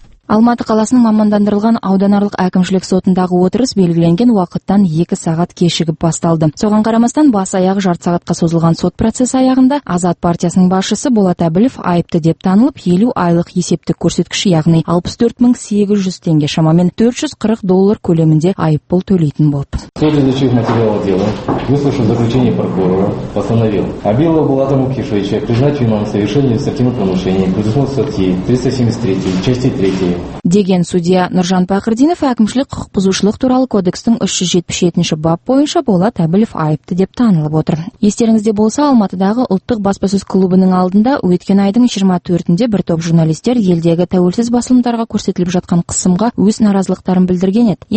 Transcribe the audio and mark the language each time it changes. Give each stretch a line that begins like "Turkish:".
Kazakh: Алматы қаласының мамандандырылған ауданаралық әкімшілік сотындағы отырыс белгіленген уақыттан 2 сағат кешігіп басталды. Соған қарамастан бас аяғы жарты сағатқа созылған сот процесі аяғында Азат партиясының басшысы Болат Әбілев айыпты деп танылып, 50 айлық есептік көрсеткіш, яғни 64800 теңге, шамамен $440 көлемінде айыппұл төлейтін болды.
Russian: Следующий материал дела, выслушав заключение прокурора, постановил Абилова Булата Мукишевича признать виновным в совершении административного нарушения по статье 373, части 3.
Kazakh: Деген судья Нұржан Пақырдинов әкімшілік құқық бұзушылық туралы кодекстің 377-ші бап бойынша Болат Әбілев айыпты деп танылып отыр. Естеріңізде болса, Алматыдағы ұлттық баспасөз клубының алдында өткен айдың 24-інде бір топ журналистер елдегі тәуелсіз басылымдарға көрсетіліп жатқан қысымға өз наразылықтарын білдірген еді.